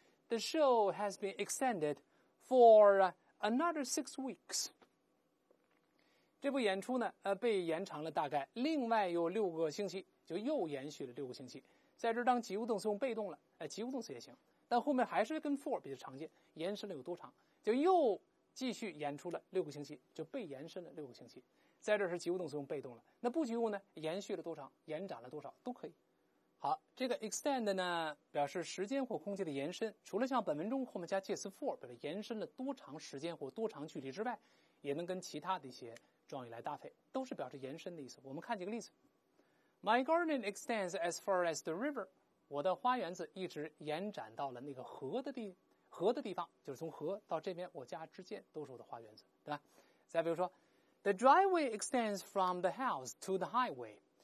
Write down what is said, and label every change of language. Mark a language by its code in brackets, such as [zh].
[en] The show has been extended for another 6 weeks. [zh] 这部演出呢，被延长了大概另外有六个星期，就又延续了六个星期。在这当及物动词用被动了，及物动词也行。但后面还是跟 for 比较常见，延伸了有多长，就又继续延出了六个星期，就被延伸了六个星期。在这是及物动词用被动了，那不及物呢，延续了多长，延展了多少都可以。好，这个 extend 呢表示时间或空间的延伸，除了像本文中后面加介词 for 表示延伸了多长时间或多长距离之外，也能跟其他的一些状语来搭配，都是表示延伸的意思。我们看几个例子。 [en] My garden extends as far as the river。 [zh] 我的花园子一直延展到了那个河的地方，就是从河到这边我家之间都是我的花园子，对吧？再比如说 [en] The driveway extends from the house to the highway。